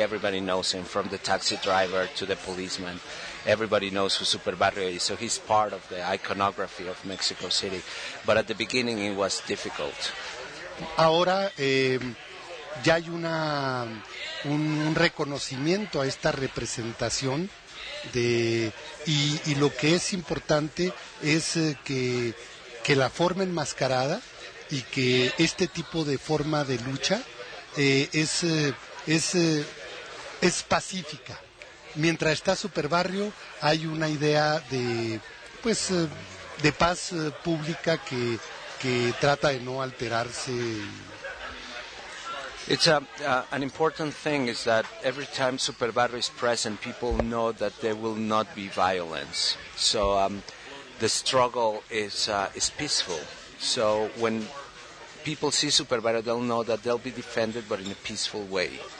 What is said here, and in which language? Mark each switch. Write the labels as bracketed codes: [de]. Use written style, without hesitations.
[en] Everybody knows him, from the taxi driver to the policeman. Everybody knows who Super Barrio is, so he's part of the iconography of Mexico City. But at the beginning, it was difficult. [es] Ahora ya hay una un reconocimiento a esta representación de y lo que es importante es que la forma enmascarada y que este tipo de forma de lucha es pacífica. Mientras está Super Barrio, hay una idea de paz pública que trata de no alterarse. [en] It's an important thing is that every time Super Barrio is present, people know that there will not be violence. So the struggle is peaceful. So when people see Super Barrio, they'll know that they'll be defended, but in a peaceful way.